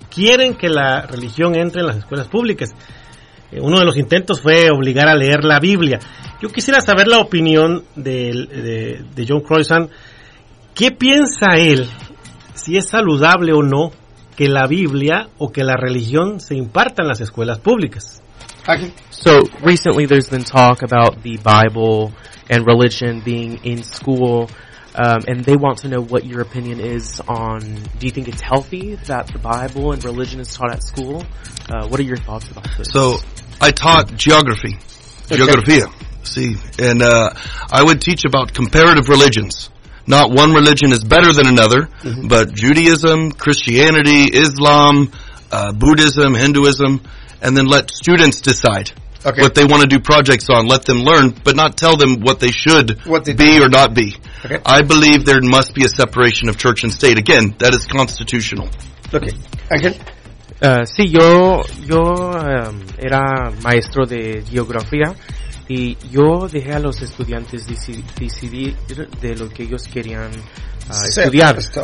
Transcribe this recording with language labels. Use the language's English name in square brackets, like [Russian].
[Spanish] Quieren que la religión entre en las escuelas públicas. Uno de los intentos fue obligar a leer la Biblia. Yo quisiera saber la opinión de John Croissant. ¿Qué piensa él, si es saludable o no, que la Biblia o que la religión se imparta en las escuelas públicas? [English] Okay. So, recently there's been talk about the Bible and religion being in school. And they want to know what your opinion is on, do you think it's healthy that the Bible and religion is taught at school? What are your thoughts about this? So, I taught geography, okay. Geografía, see, and I would teach about comparative religions. Not one religion is better than another, mm-hmm. but Judaism, Christianity, Islam, Buddhism, Hinduism, and then let students decide. Okay. What they want to do projects on, let them learn, but not tell them what they should be or not be. Okay. I believe there must be a separation of church and state. Again, that is constitutional. Okay. Ángel. [Spanish] Sí, yo era maestro de geografía y yo dejé a los estudiantes decidir de lo que ellos querían estudiar.